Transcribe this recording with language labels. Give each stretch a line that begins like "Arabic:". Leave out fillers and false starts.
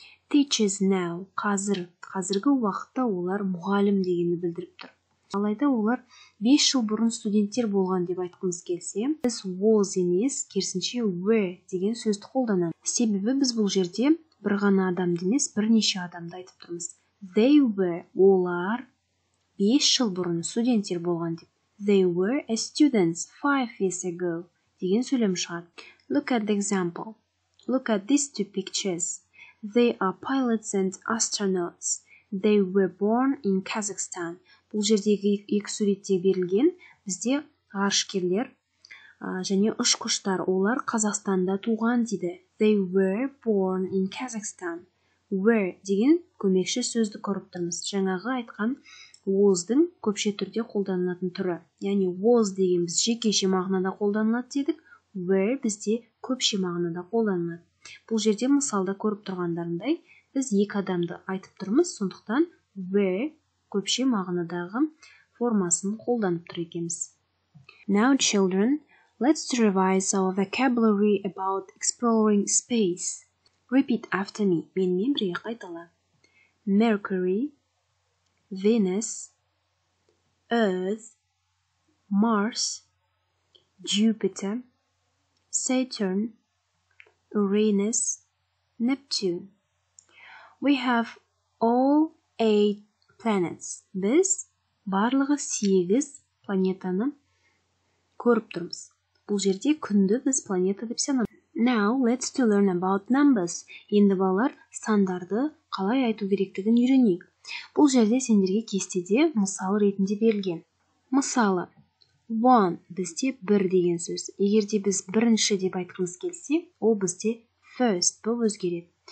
English: Teachers now
Kazakh: қазір, қазіргі уақытта олар мұғалім дегенді білдіріп тұр. Алайда олар 5 жыл бұрын студенттер болған деп айтқымыз келсе, біз was емес, керісінше were деген сөзді қолданамыз. Себебі біз бұл жерде бір ғана адамды емес, бірнеше адамды айтып тұрмыз.
English: They were,
Kazakh: олар 5 жыл бұрын студенттер болған деп.
English: They were as students 5 years ago.
Kazakh: Деген сөйлем шығады.
English: Look at the example. Look at these two pictures. They are pilots and astronauts. They were born in Kazakhstan.
Kazakh: Бұл жердегі екі суретте берілген бізде ғарышкерлер және ұшқыштар. Олар Қазақстанда туған дейді. They were born in Kazakhstan. Were деген көмекші сөзді көріп тұрмыз. Жаңағы айтқан was-дың көпше түрде қолданылатын түрі. Яғни was деген біз жекеше мағынада қолданылады дедік. Were бізде көпше мағынада қолданылады. Бұл жерде мысалда көріп тұрғандарындай, біз екі адамды айтып тұрмыз, сондықтан were көпше мағынадағы формасын қолданып тұр екеміз.
English: Now children, let's revise our vocabulary about exploring space. Repeat after me.
Kazakh: Менімен бірге қайтала.
English: Mercury, Venus, Earth, Mars, Jupiter, Saturn, Uranus, Neptune. We have all 8 planets.
Kazakh: Біз барлығы 8 планетаны көріп тұрмыз. Бұл жерде күнді біз планета деп санаймыз.
English: Now let's to learn about numbers.
Kazakh: Енді балалар сандарды қалай айту керектігін үйренейік. Бұл жерде сендерге кестеде мысал ретінде берілген. Мысалы, one бізде бір деген сөз. Егер де біз бірінші деп айтқымыз келсе, ол бізде first болып өзгереді.